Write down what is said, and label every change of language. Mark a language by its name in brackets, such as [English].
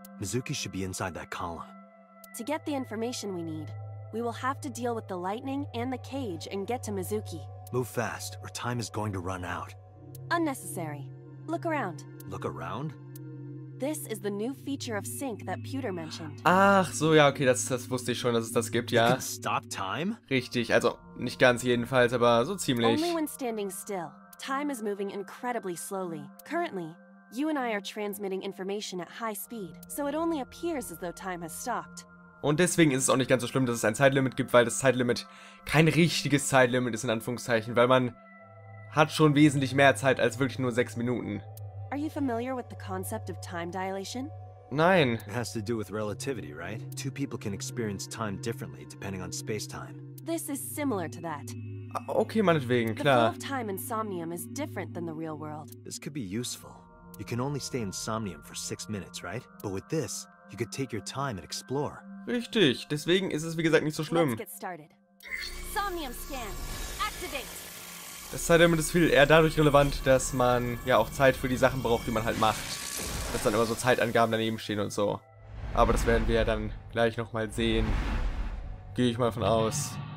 [English] Mizuki should be inside that column. To get the information we need, we will have to deal with the lightning and the cage and get to Mizuki. Move fast, or time is going to run out. Unnecessary. Look around. Look around? This is the new feature of Sync that Pewter mentioned. [German] Ach so, ja, okay, das wusste ich schon, dass es das gibt, ja. [English] Stop time? [German] Richtig, also nicht ganz jedenfalls, aber so ziemlich. [English] Only when standing still. Time is moving incredibly slowly. Currently, you and I are transmitting information at high speed, so it only appears as though time has stopped. [German] Und deswegen ist es auch nicht ganz so schlimm, dass es ein Zeitlimit gibt, weil das Zeitlimit kein richtiges Zeitlimit ist, in Anführungszeichen, weil man hat schon wesentlich mehr Zeit als wirklich nur 6 Minuten. [English] Are you familiar with the concept of time dilation? [German] Nein. [English] It has to do with relativity, right? Two people can experience time differently depending on space-time. This is similar to that. [German] Okay, meinetwegen, klar. [English] The flow of time in Somnium is different than the real world. This could be useful. You can only stay in Somnium for 6 minutes, right? But with this, you could take your time and explore. [German] Richtig, deswegen ist es wie gesagt nicht so schlimm. [English] Let's get started. Somnium scan, activate. [German] Das Zeitlimit ist viel eher dadurch relevant, dass man ja auch Zeit für die Sachen braucht, die man halt macht. Dass dann immer so Zeitangaben daneben stehen und so. Aber das werden wir ja dann gleich nochmal sehen. Gehe ich mal von aus.